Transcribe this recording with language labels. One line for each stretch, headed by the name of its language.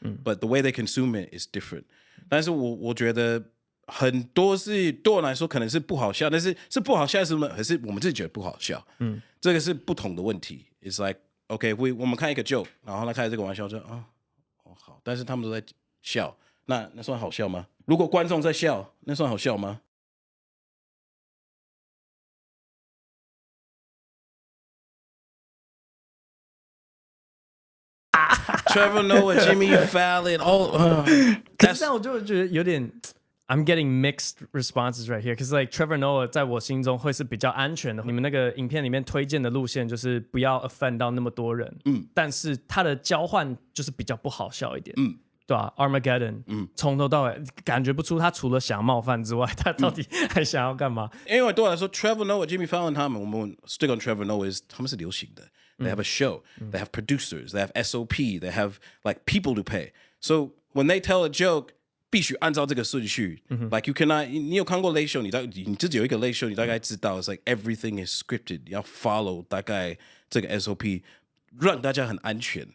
English: But the way they consume it is different.
Chinese: 但是我觉得很多是对我来说可能是不好笑，但是不好笑是什么？还是我们自己觉得不好笑？这个是不同的问题。
English: It's like, okay,
Chinese: 我们看一个 joke， 然后他开这个玩笑就啊。好，但是他们都在笑，那算好笑吗？如果观众在笑，那算好笑吗？
English: Trevor Noah, Jimmy Fallon, all.
Chinese: 但是我就觉得有点
English: ，I'm getting mixed responses right here. Because like
Chinese: Trevor Noah 在我心中会是比较安全的。你们那个影片里面推荐的路线就是不要 offend 到那么多人。但是他的交换就是比较不好笑一点。对吧、？Armageddon。从头到尾感觉不出他除了想冒犯之外，他到底还想要干嘛？因为对我来说 ，Trevor Noah, Jimmy Fallon 他们，我们
English: stick on
Chinese: Trevor Noah is 他们是流行的。
English: They have a show, they have producers, they have SOP, they have like people to pay. So when they tell a joke,
Chinese: 必须按照这个顺序。
English: Like you cannot,
Chinese: 你有看过 late show, 你自己有一个 late show, 你大概知道
English: it's like everything is scripted,
Chinese: 你要 follow 大概这个 SOP, 让大家很安全。